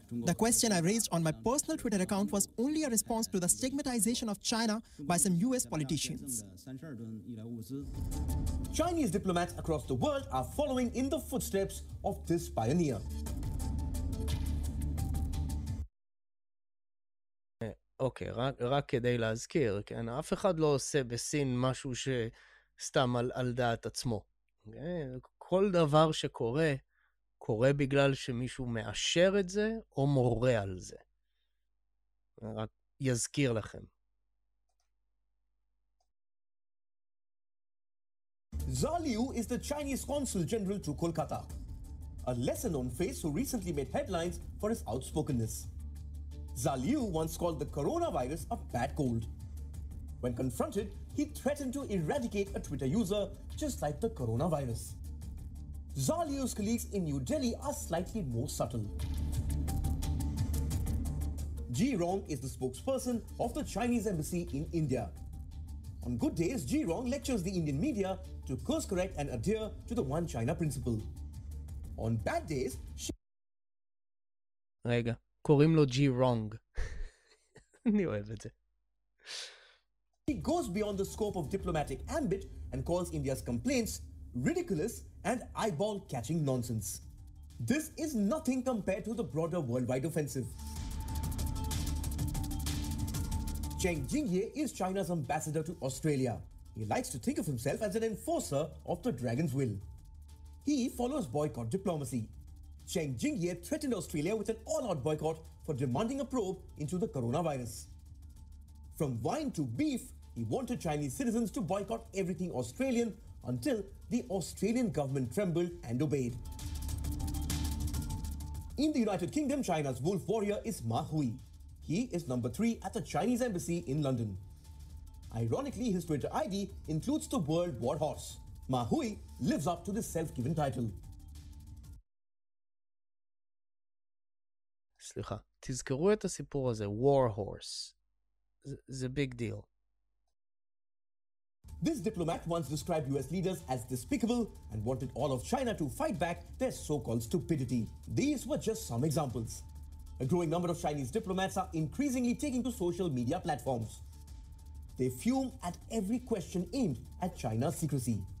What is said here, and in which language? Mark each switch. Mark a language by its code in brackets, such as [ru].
[en] The question I raised on my personal Twitter account was only a response to the stigmatization of China by some US politicians. Chinese diplomats across the world are following in the footsteps of this pioneer. [he] Okay, רק כדי להזכיר, כן, אף אחד לא עושה בסין משהו שסתם על דעת עצמו. כל דבר שקורה קורה בגלל שמישהו מאשר את זה או מורה על זה. רק יזכיר לכם. [en] Zaliu is the Chinese consul general to Kolkata. A lesser known face who recently made headlines for his outspokenness. Zaliu once called the coronavirus a bad cold. When confronted, he threatened to eradicate a Twitter user just like the coronavirus. Zaliu's colleagues in New Delhi are slightly more subtle. Ji Rong is the spokesperson of the Chinese embassy in India. On good days, Ji Rong lectures the Indian media to course correct and adhere to the One China principle. On bad days, she... [he] רגע, קוראים לו Ji Rong. אני אוהב את זה. [en] He goes beyond the scope of diplomatic ambit and calls India's complaints ridiculous and eyeball-catching nonsense. This is nothing compared to the broader worldwide offensive. Cheng Jingye is China's ambassador to Australia. He likes to think of himself as an enforcer of the dragon's will. He follows boycott diplomacy. Cheng Jingye threatened Australia with an all-out boycott for demanding a probe into the coronavirus. From wine to beef, he wanted Chinese citizens to boycott everything Australian until the Australian government trembled and obeyed. In the United Kingdom, China's wolf warrior is Ma Hui. He is number 3 at the Chinese embassy in London. Ironically, his Twitter ID includes the word war horse. Ma Hui lives up to this self-given title. [he] סליחה, תזכרו את הסיפור הזה, [en] war horse. It's a big deal. This diplomat once described US leaders as despicable and wanted all of China to fight back their so-called stupidity. These were just some examples. A growing number of Chinese diplomats are increasingly taking to social media platforms. They fume at every question aimed at China's secrecy.